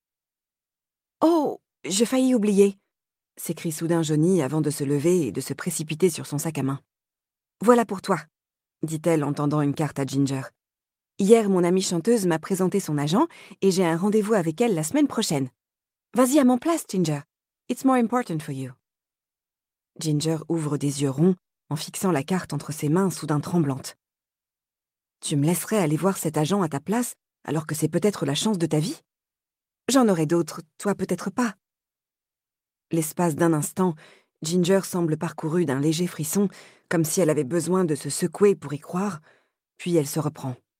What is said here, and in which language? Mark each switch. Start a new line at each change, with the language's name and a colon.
French: « Oh, je faillis oublier !» s'écrie soudain Johnny avant de se lever et de se précipiter sur son sac à main. « Voilà pour toi !» dit-elle en tendant une carte à Ginger. « Hier, mon amie chanteuse m'a présenté son agent et j'ai un rendez-vous avec elle la semaine prochaine. Vas-y à mon place, Ginger.
English: It's more important for you. »
French: Ginger ouvre des yeux ronds en fixant la carte entre ses mains soudain tremblante. « Tu me laisserais aller voir cet agent à ta place alors que c'est peut-être la chance de ta vie ?»« J'en aurai d'autres, toi peut-être pas. » L'espace d'un instant, Ginger semble parcourue d'un léger frisson, comme si elle avait besoin de se secouer pour y croire, puis elle se reprend.